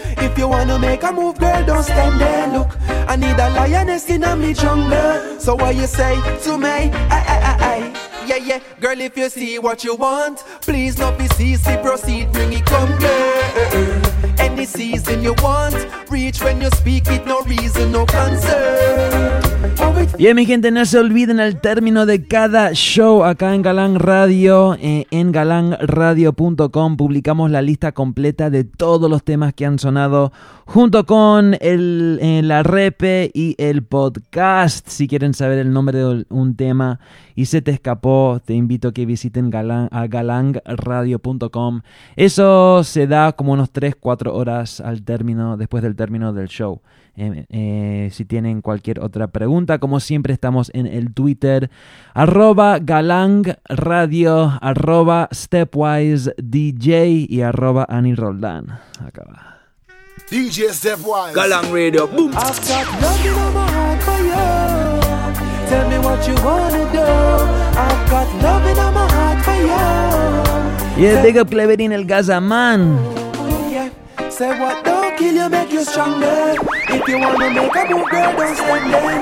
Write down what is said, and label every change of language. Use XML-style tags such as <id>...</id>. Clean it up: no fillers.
<en>If you wanna make a move, girl, don't stand there. Look, I need a lioness in a me jungle. So what you say to me? I. Yeah, yeah, girl, if you see what you want, please not be cease, proceed, bring it come, girl. Any season you want, reach when you speak it, no reason, no concern.</en> <es>Bien, mi gente, no se olviden el término de cada show acá en Galán Radio. En galanradio.com publicamos la lista completa de todos los temas que han sonado junto con la repe y el podcast. Si quieren saber el nombre de un tema y se te escapó, te invito a que visiten galanradio.com. Eso se da como unos 3-4 horas al término, después del término del show. Si tienen cualquier otra pregunta, como siempre estamos en el Twitter @galangradio @stepwisedj y @aniroldan. Acaba.</es> <en>DJ Stepwise Galang Radio, boom. I've got nothing on my heart for you. Tell me what you wanna do. I've got nothing on my heart for you. Yeah, big up Cleverin el Gazaman. Say what don't kill you, make you stronger. If you wanna make a move, girl, don't stand there.</en>